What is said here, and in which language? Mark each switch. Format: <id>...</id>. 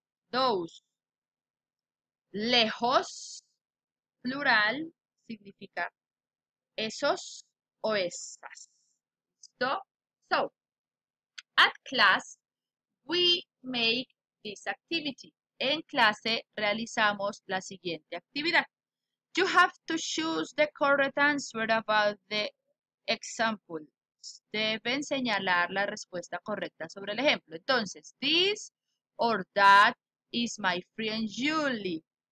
<es>Those, lejos, plural, significa esos o esas. ¿Listo?</es> <en>So, at class, we make this activity.</en> <es>En clase, realizamos la siguiente actividad.</es> <en>You have to choose the correct answer about the examples.</en> <es>Deben señalar la respuesta correcta sobre el ejemplo.</es> <en>Entonces, this or that is my friend Julie.</en>